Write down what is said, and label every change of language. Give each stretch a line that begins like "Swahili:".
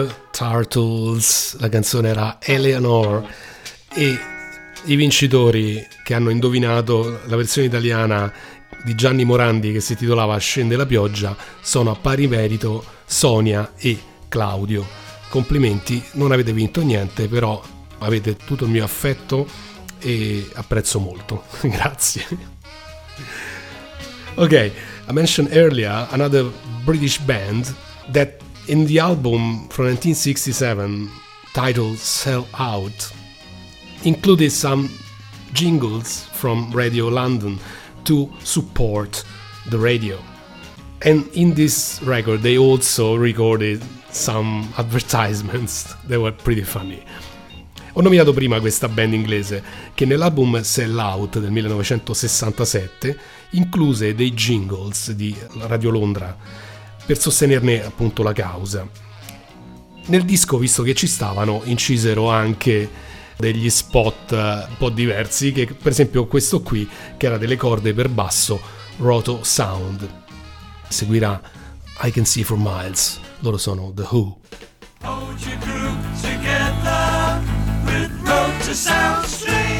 Italian: Turtles, la canzone era Eleanor, e i vincitori che hanno indovinato la versione italiana di Gianni Morandi, che si titolava Scende la pioggia, sono a pari merito Sonia e Claudio. Complimenti, non avete vinto niente, però avete tutto il mio affetto e apprezzo molto. Grazie.
English: Ok, I mentioned earlier another British band that in the album from 1967 titled Sell Out included some jingles from Radio London to support the radio, and in this record they also recorded some advertisements. They were pretty funny.
Italian: Ho nominato prima questa band inglese che nell'album Sell Out del 1967 incluse dei jingles di Radio Londra per sostenerne appunto la causa. Nel disco, visto che ci stavano, incisero anche degli spot un po' diversi, che per esempio questo qui, che era delle corde per basso, Roto Sound. Seguirà I Can See For Miles, loro sono The Who.
English: Hold your group together with Roto Sound Strings.